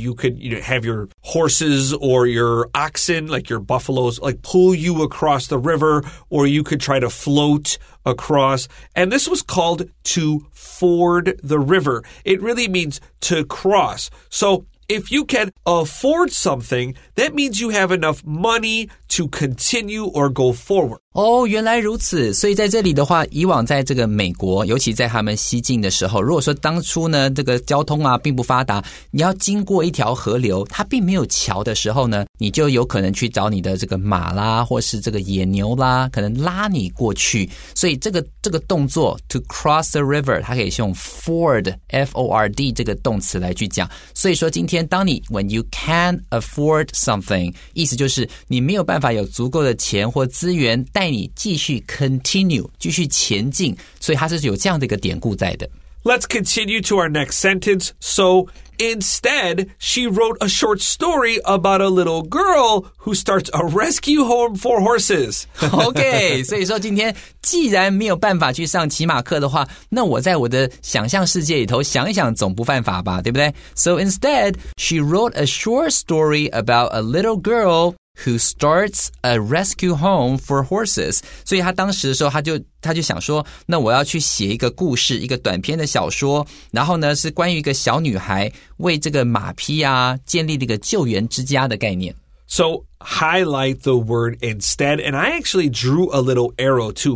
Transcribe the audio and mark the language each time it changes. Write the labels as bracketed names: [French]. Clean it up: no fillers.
[English] You could have your horses or your oxen, like your buffaloes, like pull you across the river, or you could try to float across. And this was called to ford the river. It really means to cross. So if you can afford something, that means you have enough money to continue or go forward. [Chinese] 哦，原来如此。所以在这里的话，以往在这个美国，尤其在他们西进的时候，如果说当初呢，这个交通啊并不发达，你要经过一条河流，它并没有桥的时候呢，你就有可能去找你的这个马啦，或是这个野牛啦，可能拉你过去。所以这个动作 [English] to cross the river， [Chinese] 它可以用 ford f o r d 这个动词来去讲。所以说今天当你 [English] when you can afford something， [Chinese] 意思就是你没有办法有足够的钱或资源带你继续 continue， 继续前进，所以它是有这样的一个典故在的。 [English] Let's continue to our next sentence. So instead, she wrote a short story about a little girl who starts a rescue home for horses. [Chinese] Okay, 所以说今天既然没有办法去上骑马课的话，那我在我的想象世界里头想一想总不犯法吧，对不对？ [English] So instead, she wrote a short story about a little girl who starts a rescue home for horses. [Chinese] 所以他当时的时候他就想说，那我要去写一个故事，一个短篇的小说，然后呢是关于一个小女孩为这个马匹啊建立了一个救援之家的概念。 [English] So highlight the word instead, and I actually drew a little arrow too.